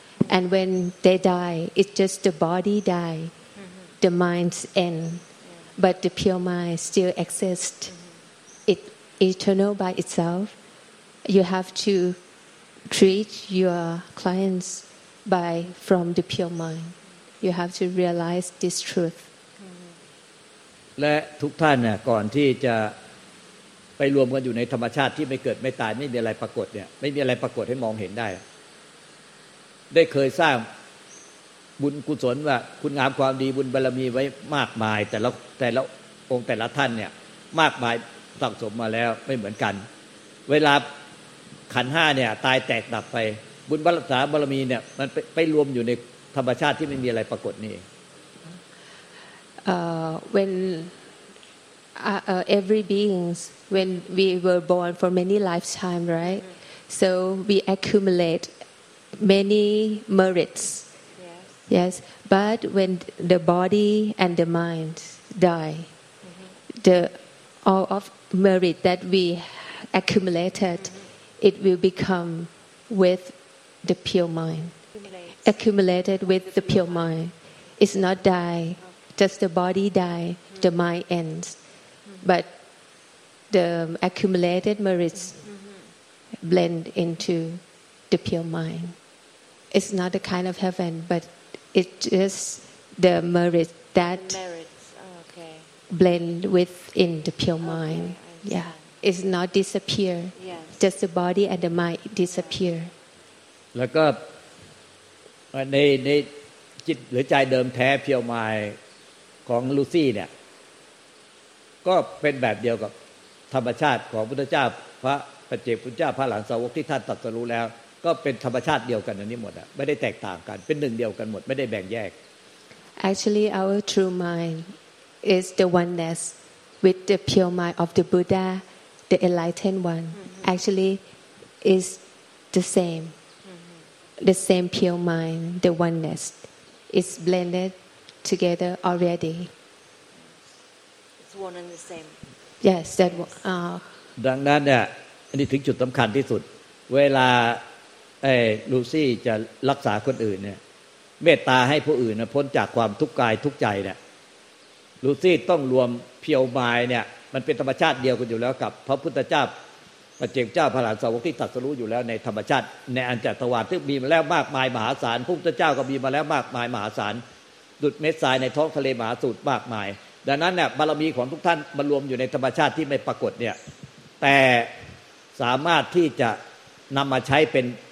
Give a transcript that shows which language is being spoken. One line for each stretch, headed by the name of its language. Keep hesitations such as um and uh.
English: And when they die, it's just the body die, the mind's end, but the pure mind still exists. It eternal by itself. You have to treat your clients by from the pure mind. You have to realize this truth.
Thai: และทุกท่านเนี่ยก่อนที่จะไปรวมกันอยู่ในธรรมชาติที่ไม่เกิดไม่ตายไม่มีอะไรปรากฏเนี่ย ไม่มีอะไรปรากฏให้มองเห็นได้ ได้เคยสร้างบุญกุศลว่า คุณงามความดีบุญบารมีไว้มากมาย แต่ละแต่ละองค์แต่ละท่านเนี่ย มากมายสั่งสมมาแล้วไม่เหมือนกัน เวลาขันธ์ห้าเนี่ย ตายแตกดับไป บุญบารมีบารมีเนี่ย มันไปไปรวมอยู่ในธรรมชาติที่ไม่มีอะไรปรากฏนี่เอง
English: uh, when uh, uh, every beings when we were born for many lifetime right so we accumulate many merits Yes. yes but when the body and the mind die the all of merit that we accumulated it will become with the pure mind Accumulate. accumulated with the pure mind. It's not die, just the body die, the mind ends. But the accumulated merits blend into the pure mind. It's not the kind of heaven, but it just the merit that Merits. Okay. blend within the pure mind. I Yeah, it's not disappear. Yes. Just the body and the mind disappear.
Thai: แล้วก็เอ่อในในจิตหรือใจเดิมแท้เพียวมายของลูซี่เนี่ย ก็เป็นแบบเดียวกับธรรมชาติของพุทธเจ้า พระปัจเจกพุทธเจ้าพระหลานสาวกที่ท่านตรัสรู้แล้ว ก็เป็นธรรมชาติเดียวกันอันนี้หมดอะไม่ได้แตกต่างกัน เป็นหนึ่งเดียวกันหมด ไม่ได้แบ่งแยก
English: Actually, our true mind is the oneness with the pure mind of the Buddha, the enlightened one. Actually, is the same, the same pure mind, the oneness. It's blended together already. It's one and the same. Yes, that. wa- Uh,
Thai: ดังนั้นเนี่ยอันนี้ถึงจุดสำคัญที่สุด เวลาไอ้ลูซี่จะรักษาคนอื่นเนี่ย เมตตาให้ผู้อื่นนะพ้นจากความทุกข์กายทุกข์ใจเนี่ย ลูซี่ต้องรวมเพียวมายเนี่ย มันเป็นธรรมชาติเดียวกันอยู่แล้วกับ พระพุทธเจ้าปัจเจกเจ้าพระหลานสาวกที่ตรัสรู้อยู่แล้วในธรรมชาติในอันจัตวาลซึ่งมีมาแล้วมากมายมหาศาลพระพุทธเจ้าก็มีมาแล้วมากมายมหาศาลดุดเม็ดทรายในท้องทะเลมหาสมุทรมากมาย ดังนั้นเนี่ยบารมีของทุกท่านมารวมอยู่ในธรรมชาติที่ไม่ปรากฏเนี่ย แต่สามารถที่จะนำมาใช้เป็น